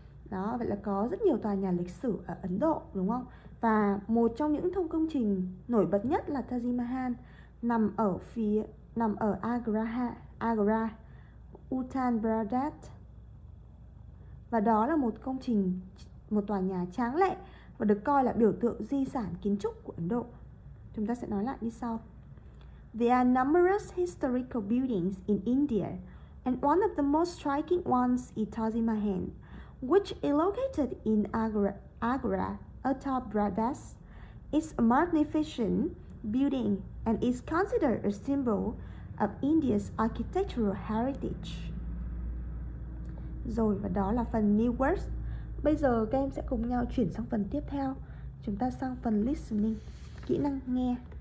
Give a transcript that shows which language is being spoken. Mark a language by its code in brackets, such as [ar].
[vi] Đó, vậy là có rất nhiều tòa nhà lịch sử ở Ấn Độ, đúng không? Và một trong những thông công trình nổi bật nhất là Taj Mahal nằm ở Agra, Uttar Pradesh. Và đó là một công trình, một tòa nhà tráng lệ và được coi là biểu tượng di sản kiến trúc của Ấn Độ. Chúng ta sẽ nói lại như sau. [en] There are numerous historical buildings in India, and one of the most striking ones is Taj Mahal, which is located in Agra, Uttar Pradesh. It's a magnificent building and is considered a symbol of India's architectural heritage. [vi] Rồi, và đó là phần new words. Bây giờ các em sẽ cùng nhau chuyển sang phần tiếp theo. Chúng ta sang phần listening, kỹ năng nghe.